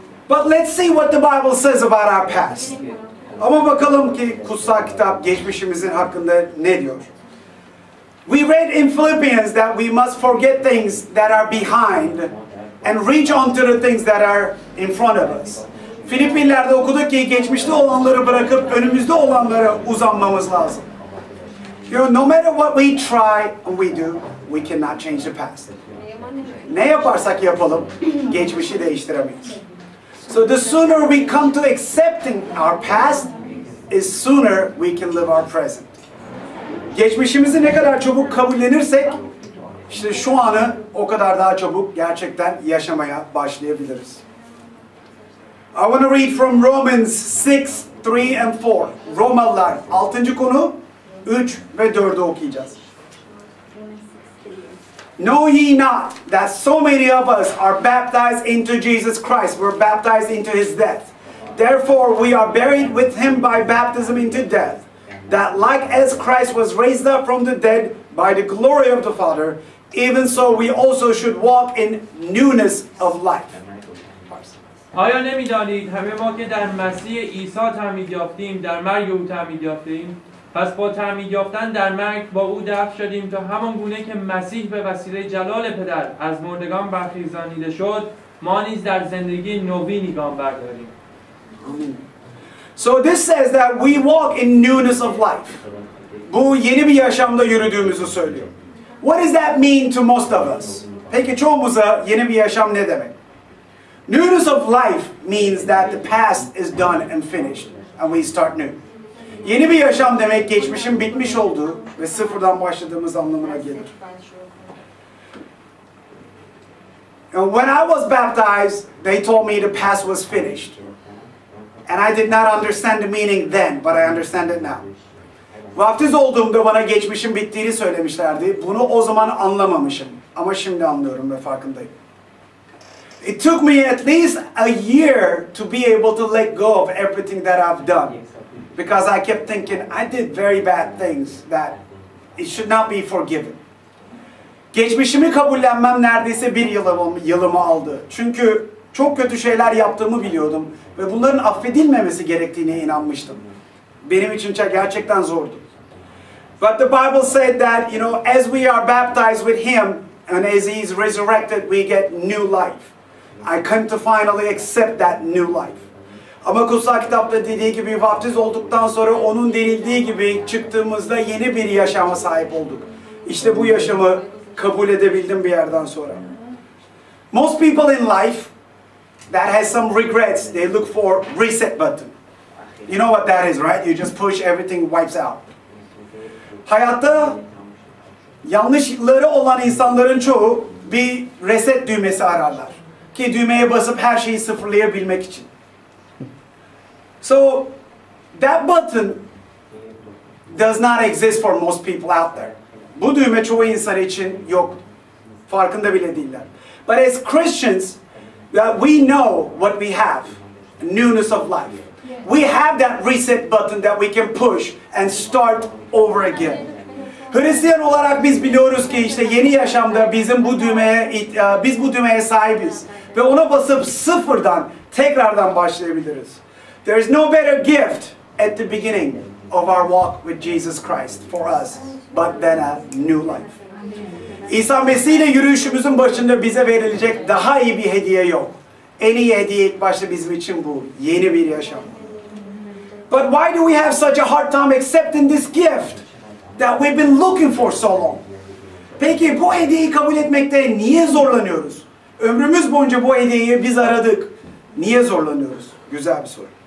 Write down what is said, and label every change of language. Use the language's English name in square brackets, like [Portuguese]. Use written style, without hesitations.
[English] But let's see what the Bible says about our past. [Turkish] Ama bakalım ki kutsal kitap geçmişimizin hakkında ne diyor. [English] We read in Philippians that we must forget things that are behind and reach onto the things that are in front of us. [Turkish] Filipinler'de okuduk ki geçmişte olanları bırakıp önümüzde olanlara uzanmamız lazım. [English] You know, no matter what we try and we do, we cannot change the past. [Turkish] Ne yaparsak yapalım, geçmişi değiştiremeyiz. [English] So the sooner we come to accepting our past, is sooner we can live our present. [Turkish] Geçmişimizi ne kadar çabuk kabullenirsek, işte şu anı o kadar daha çabuk gerçekten yaşamaya başlayabiliriz. [English] I want to read from Romans 6, 3 and 4. Romalılar 6. [Turkish] konu 3 ve 4'ü okuyacağız. [English] Know ye not that so many of us are baptized into Jesus Christ. We're baptized into his death. Therefore we are buried with him by baptism into death. That like as Christ was raised up from the dead by the glory of the Father, even so we also should walk in newness of life. [Persian] آیا نمی‌دانید همه ما که در مسیح عیسی تعمید یافتیم در مرگ او تعمید یافتیم؟ پس با تعمید یافتن در مرگ با او دفن شدیم تا همان گونه که مسیح به وسیله جلال پدر از مردگان برخیزانیده شد ما نیز در زندگی نوینی گام برداریم. [English] So this says that we walk in newness of life. [Turkish] Bu yeni bir yaşamda yürüdüğümüzü söylüyor. [English] What does that mean to most of us? [Turkish] Peki çoğumuza yeni bir yaşam ne demek? [English] Newness of life means that the past is done and finished and we start new. [Turkish] Yeni bir yaşam demek geçmişin bitmiş olduğu ve sıfırdan başladığımız anlamına gelir. [English] And when I was baptized, they told me the past was finished. And I did not understand the meaning then, but I understand it now. [Turkish] Vaftiz olduğumda bana geçmişin bittiğini söylemişlerdi. Bunu o zaman anlamamışım. Ama şimdi anlıyorum ve farkındayım. [English] It took me at least a year to be able to let go of everything that I've done. Because I kept thinking, I did very bad things that it should not be forgiven. [Turkish] Geçmişimi kabullenmem neredeyse bir yılımı aldı. Çünkü çok kötü şeyler yaptığımı biliyordum ve bunların affedilmemesi gerektiğine inanmıştım. Benim için gerçekten zordu. [English] But the Bible said that, you know, as we are baptized with him and as he is resurrected, we get new life. I come to finally accept that new life. [Turkish] Ama kutsal kitapta dediği gibi vaftiz olduktan sonra onun denildiği gibi çıktığımızda yeni bir yaşama sahip olduk. İşte bu yaşamı kabul edebildim bir yerden sonra. [English] Most people in life that has some regrets, they look for reset button. You know what that is, right? You just push, everything wipes out. [Turkish] Hayatta yanlışları olan insanların çoğu bir reset düğmesi ararlar. Ki düğmeye basıp her şeyi sıfırlayabilmek için. [English] So, that button does not exist for most people out there. [Turkish] Bu düğme çoğu insan için yok. Farkında bile değiller. [English] But as Christians, that we know what we have, newness of life. We have that reset button that we can push and start over again. [Turkish] Hristiyan olarak biz biliyoruz ki işte yeni yaşamda bizim bu düğmeye biz bu düğmeye sahibiz ve ona basıp sıfırdan tekrardan başlayabiliriz. [English] There is no better gift at the beginning of our walk with Jesus Christ for us but than a new life. [Turkish] İsa Mesih ile yürüyüşümüzün başında bize verilecek daha iyi bir hediye yok. En iyi hediye ilk başta bizim için bu. Yeni bir yaşam. [English] But why do we have such a hard time accepting this gift that we've been looking for so long? [Turkish] Peki bu hediyeyi kabul etmekte niye zorlanıyoruz? Ömrümüz boyunca bu hediyeyi biz aradık. Niye zorlanıyoruz? Güzel bir soru.